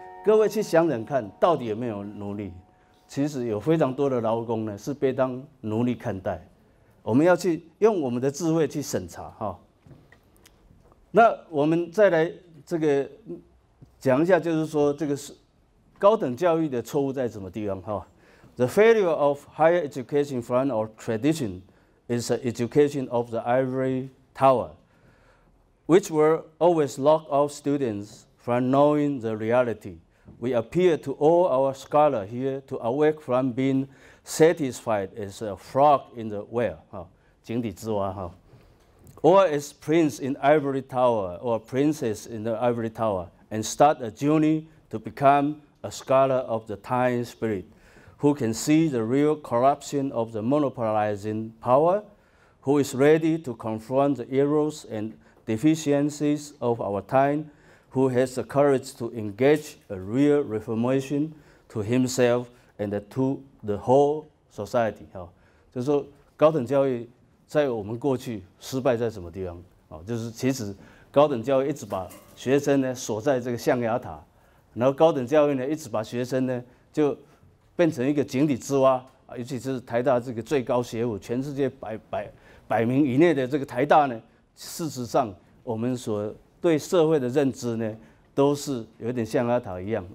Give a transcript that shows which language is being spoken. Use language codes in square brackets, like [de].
[zh] 各位去想想看，到底有没有奴隶？其实有非常多的劳工呢，是被当奴隶看待。我们要去用我们的智慧去审查哈。那我们再来这个讲一下，就是说这个是高等教育的错误在什么地方哈。 [en] The failure of higher education front or tradition is the education of the ivory tower, which will always lock off students from knowing the reality. We appeal to all our scholars here to awake from being satisfied as a frog in the well, [zh] 井底之蛙 [en] or as prince in ivory tower or princess in the ivory tower, and start a journey to become a scholar of the time spirit. Who can see the real corruption of the monopolizing power? Who is ready to confront the errors and deficiencies of our time? Who has the courage to engage a real reformation to himself and to the whole society? [zh] 就是说高等教育在我们过去失败在什么地方？就是其实高等教育一直把学生呢锁在这个象牙塔，然后高等教育呢一直把学生呢就变成一个井底之蛙，尤其是台大这个最高学府，全世界百名以内的这个台大呢，事实上我们所对社会的认知呢，都是有点像象牙塔一样。